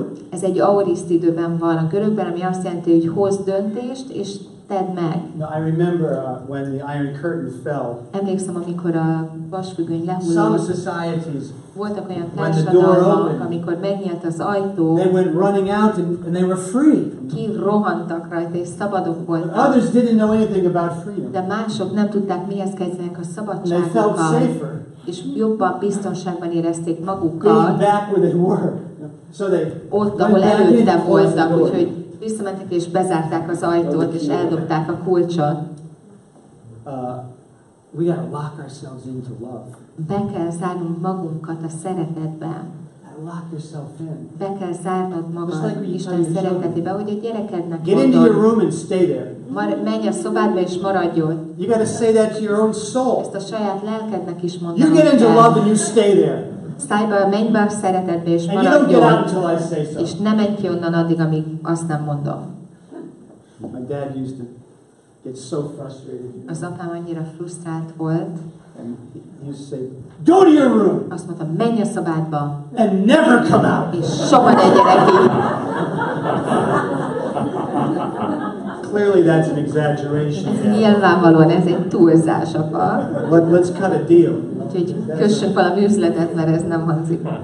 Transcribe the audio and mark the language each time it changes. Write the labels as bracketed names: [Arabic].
[Hungarian] Ez egy aoriszt időben van a görögben, ami azt jelenti, hogy hozd döntést, és tedd meg. [English] No, I remember when the Iron Curtain fell. [Hungarian] Emlékszem, amikor a vasfüggöny lehullott. [English] Some societies, [Hungarian] voltak olyan társadalmak, amikor megnyílt az ajtó. [English] They went running out and they were free. [Hungarian] Kirohantak rajta és szabadok voltak. [English] But others didn't know anything about freedom. [Hungarian] De mások nem tudták, mihez kezdenek a szabadságokkal. [English] They felt safer. [Hungarian] És jobban biztonságban érezték magukat. [English] Being back where they were, so they [Hungarian] ott, ahol előtte voltak, úgyhogy visszamentek és bezárták az ajtót, és eldobták a kulcsot. [English] We gotta lock ourselves into love. [Hungarian] Be kell zárnunk magunkat a szeretetbe. [English] Lock yourself in. [Hungarian] Be kell zárnod magad Isten szeretetébe, hogy a gyerekednek [English] get into your room and stay there. [Hungarian] Menj a szobádba és maradj ott. [English] You gotta say that to your own soul. [Hungarian] Ezt a saját lelkednek is mondanod. [English] You get into love and you stay there. Stay by, [Hungarian] menj be a szeretetbe, és maradj ott. [English] And you don't get out until I say so. [Hungarian] És ne menj ki onnan addig, amíg azt nem mondom. [English] My dad used to get so frustrated. [Hungarian] Az apám annyira frusztrált volt. [English] And he used to say, go to your room. [Hungarian] Azt mondta, menj a szobádba. [English] And never come out. [Hungarian] És soha ne gyere ki. [English] Clearly that's an exaggeration. [Hungarian] Ez nyilvánvalóan, ez egy túlzás, apa. [English] Let's cut a deal. [Hungarian] Úgyhogy kössünk valami üzletet, mert ez nem hangzik.